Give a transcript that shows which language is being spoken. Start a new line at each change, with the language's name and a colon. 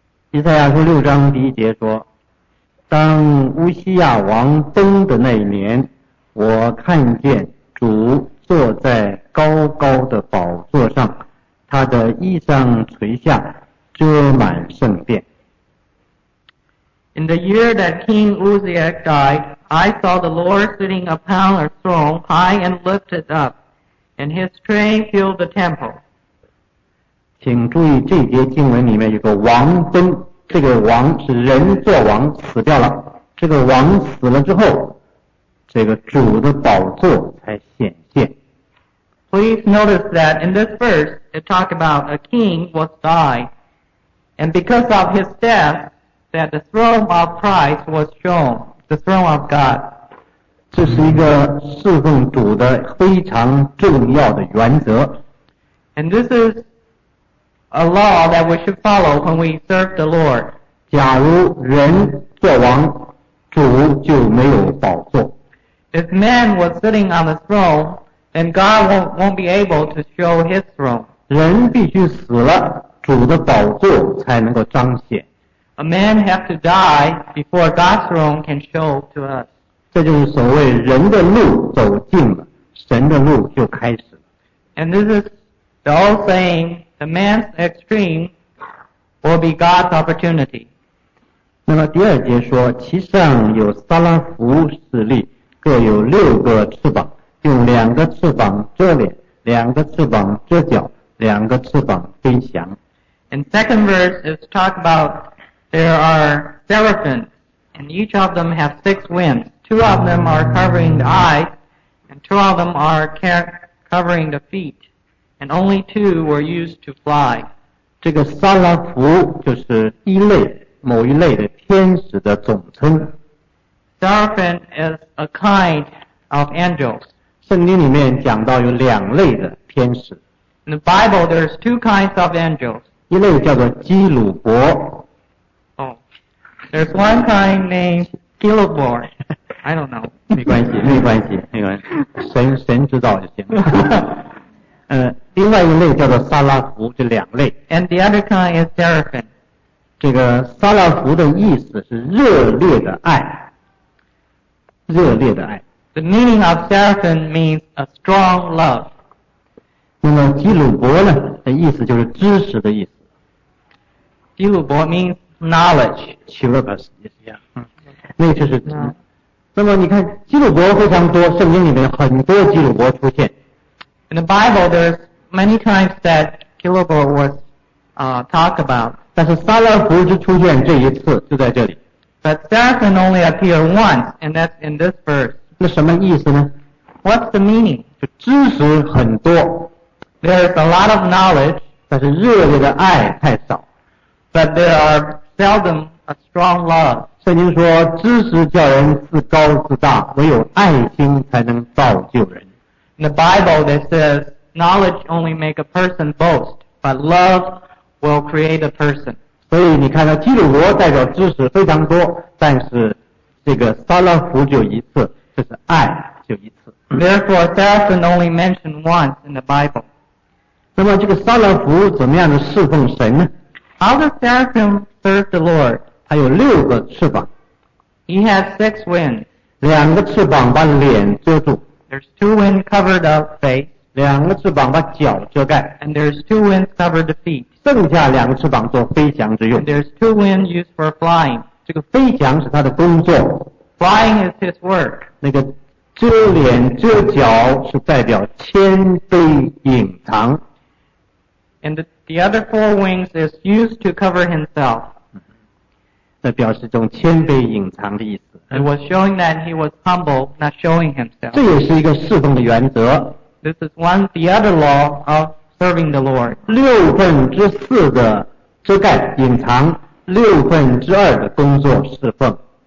Chinese: 以赛亚书六章第一节说，当乌西亚王崩的那一年，我看见主坐在高高的宝座上，他的衣裳垂下，遮满圣殿。
English: In the year that King Uzziah died, I saw the Lord sitting upon a throne high and lifted up. And his train filled the temple.
Chinese: 请注意这节经文里面有个王崩，这个王是人做王死掉了，这个王死了之后，这个主的宝座才显现。
English: Please notice that in this verse, it talked about a king was died, and because of his death, that the throne of Christ was shown, the throne of God.
Chinese: 这是一个侍奉主的非常重要的原则。
English: And this is a law that we should follow when we serve the Lord.
Chinese: 假如人做王，主就没有宝座。
English: If man was sitting on the throne, then God won't be able to show his throne.
Chinese: 人必须死了，主的宝座才能够彰显。
English: A man has to die before God's throne can show to us.
Chinese: 这就是所谓人的路走尽了，神的路就开始了。
English: And this is the old saying, the man's extreme will be God's opportunity.
Chinese: 那么第二节说，其上有撒拉弗势力，各有六个翅膀，用两个翅膀遮脸，两个翅膀遮脚，两个翅膀飞翔。
English: And second verse is talk about there are seraphims, and each of them have six wings. Two of them are covering the eyes, and two of them are covering the feet, and only two were used to fly.
Chinese: 这个撒拉弗就是一类，某一类的天使的总称。
English: Seraphim is a kind of angels.
Chinese: 圣经里面讲到有两类的天使。
English: In the Bible, there's two kinds of angels.
Chinese: 一类叫做基鲁伯。
English: Oh, there's one kind named Gilbor. I don't know.
Chinese: 没关系。神知道就行了。另外一类叫做撒拉弗，这两类。
English: And the other kind is seraphim.
Chinese: 这个撒拉弗的意思是热烈的爱。热烈的爱。
English: The meaning of seraphim means a strong love.
Chinese: 那么基鲁伯呢的意思就是知识的意思。
English: 基鲁伯 means knowledge. Cherubus, yes, yeah.
Chinese: 那就是知识。那么你看基鲁伯非常多，圣经里面很多基鲁伯出现。
English: In the Bible, there's many times that Kilobor was talked about.
Chinese: 但是撒拉弗只出现这一次，就在这里。
English: But seraphim only appear once, and that's in this verse.
Chinese: 那什么意思呢？
English: What's the meaning?
Chinese: 就知识很多。
English: There's a lot of knowledge.
Chinese: 但是热烈的爱太少。
English: But there are seldom a strong love.
Chinese: 圣经说知识叫人自高自大，唯有爱心才能造就人。
English: In the Bible that says knowledge only make a person boast, but love will create a person.
Chinese: 所以你看到基鲁伯代表知识非常多，但是这个撒拉弗就一次，就是爱就一次。
English: Therefore, seraphim only mentioned once in the Bible.
Chinese: 那么这个撒拉弗怎么样的侍奉神呢？
English: How does seraphim serve the Lord?
Chinese: 他有六个翅膀。
English: He has six wings.
Chinese: 两个翅膀把脸遮住。
English: There's two wings covered up face.
Chinese: 两个翅膀把脚遮盖。
English: And there's two wings covered the feet.
Chinese: 剩下两个翅膀做飞翔之用。
English: And there's two wings used for flying.
Chinese: 这个飞翔是他的工作。
English: Flying is his work.
Chinese: 那个遮脸遮脚是代表谦卑隐藏。
English: And the other four wings is used to cover himself.
Chinese: 那表示这种谦卑隐藏的意思。
English: It was showing that he was humble, not showing himself.
Chinese: 这也是一个侍奉的原则。
English: This is one, the other law of serving the Lord.
Chinese: 六分之四的遮盖隐藏，六分之二的工作侍奉。